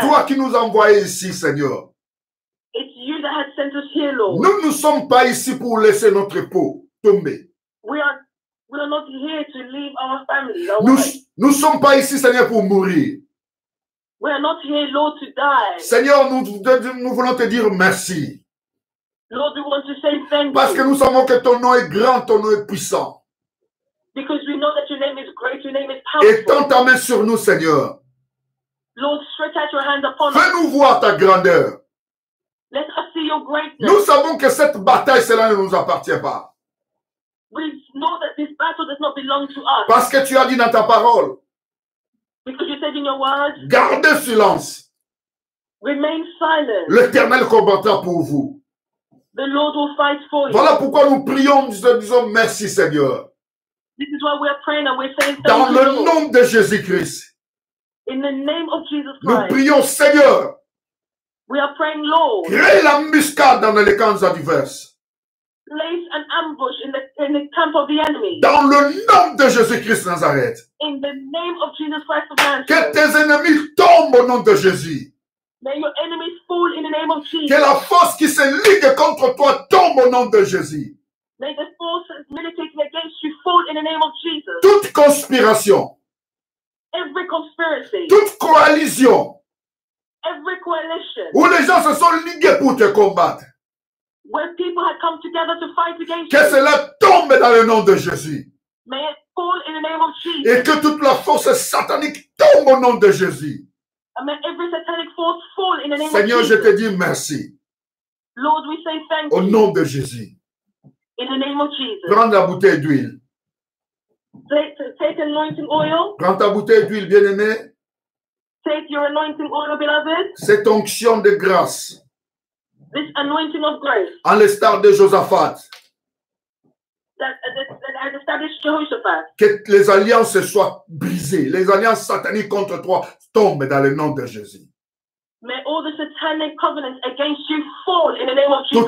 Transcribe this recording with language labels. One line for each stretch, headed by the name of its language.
French: Toi qui nous as envoyé ici, Seigneur.
English: It's you that has sent us here, Lord.
French: Nous ne sommes pas ici pour laisser notre peau tomber.
English: We are not here to leave our family.
French: Nous ne sommes pas ici, Seigneur, pour mourir.
English: We are not here, Lord, to die.
French: Seigneur, nous voulons te dire merci.
English: Lord, we want to say thank you.
French: Parce que nous savons que ton nom est grand, ton nom est puissant.
English: Because we know that your name is great, your name is powerful.
French: Étends ta main sur nous, Seigneur.
English: Lord, stretch out your hands upon us.
French: Fais-nous voir ta grandeur.
English: Let us see your greatness.
French: Nous savons que cette bataille, cela ne nous appartient pas.
English: We know that this battle does not belong to us.
French: Parce que tu as dit dans ta parole.
English: Because you said in your words.
French: Gardez silence.
English: Remain silent.
French: L'Éternel combattra pour vous.
English: The Lord will fight for you.
French: Voilà pourquoi nous prions, nous disons merci, Seigneur.
English: This is why we are praying and we're saying thank you.
French: Dans le nom de Jésus-Christ.
English: In the name of Jesus Christ.
French: Nous prions, Seigneur.
English: We are praying, Lord.
French: Crée l'embuscade dans les camps adverses.
English: Place an ambush in the camp of the enemy.
French: Dans le nom de Jésus-Christ de Nazareth.
English: In the name of Jesus Christ of Nazareth.
French: Que tes ennemis tombent au nom de Jésus.
English: May your enemies fall in the name of Jesus.
French: Que la force qui se ligue contre toi tombe au nom de Jésus.
English: May the forces militating against you fall in the name of Jesus.
French: Toute conspiration.
English: Every conspiracy.
French: Toute coalition.
English: Every coalition.
French: Où les gens se sont ligués pour te combattre.
English: Where people have come together to fight against
French: que
English: you.
French: Cela tombe dans le nom de Jésus.
English: May it fall in the name of Jesus.
French: Et que toute la force satanique tombe au nom de Jésus.
English: And may every satanic force fall in the name
French: Seigneur,
English: of Jesus.
French: Seigneur, je te dis merci.
English: Lord, we say thank
French: au
English: you.
French: Au nom de Jésus.
English: In the name of Jesus.
French: Prends la bouteille d'huile.
English: Take anointing oil.
French: Prends ta bouteille d'huile, bien-aimé.
English: Take your anointing oil, beloved.
French: Cette onction de grâce.
English: This anointing of grace.
French: En l'estar de Josaphat.
English: That established Jehoshaphat.
French: Que les alliances soient brisées. Les alliances sataniques contre toi tombent dans le nom de Jésus.
English: May all the satanic covenants against you fall in the name of Jesus.